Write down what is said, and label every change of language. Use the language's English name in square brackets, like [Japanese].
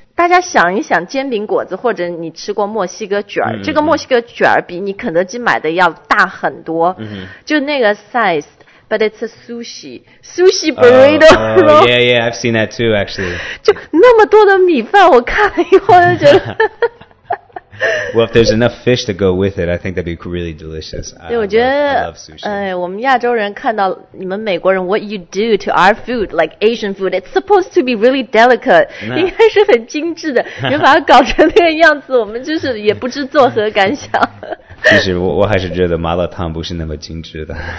[Chinese] 大家想一想煎饼果子或者你吃过墨西哥卷这个墨西哥卷比你肯德基买的要大很多。就那个 [English] size。But it's a sushi burrito. Yeah, I've seen that too, actually. [Chinese] 就那么多的米饭，我看了以后就觉得。 [English] Well, if there's enough fish to go with it, I think that'd be really delicious. I love sushi. What you do to our food, like Asian food, it's supposed to be really delicate. [Chinese] No. 应该是很精致的。你把它搞成那个样子，我们就是也不知作何感想。其实我还是觉得麻辣烫不是那么精致的。